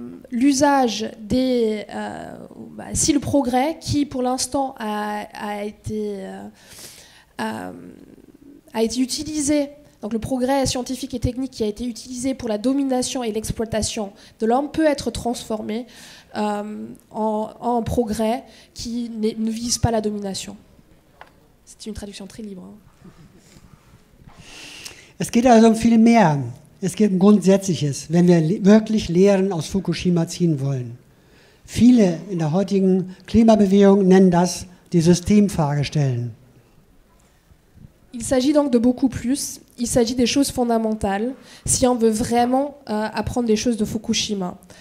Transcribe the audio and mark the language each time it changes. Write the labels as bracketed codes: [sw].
[fr] L'usage des si le progrès qui pour l'instant a été utilisé, donc le progrès scientifique et technique qui a été utilisé pour la domination et l'exploitation de l'homme peut être transformé en progrès qui ne vise pas la domination. C'est une traduction très libre. [de] Es geht also um viel mehr. Es geht um Grundsätzliches, wenn wir wirklich Lehren aus Fukushima ziehen wollen. Viele in der heutigen Klimabewegung nennen das die Systemfragestellen. [fr] Il s'agit donc de beaucoup plus. Il s'agit des choses fondamentales, si on veut vraiment apprendre des choses de Fukushima.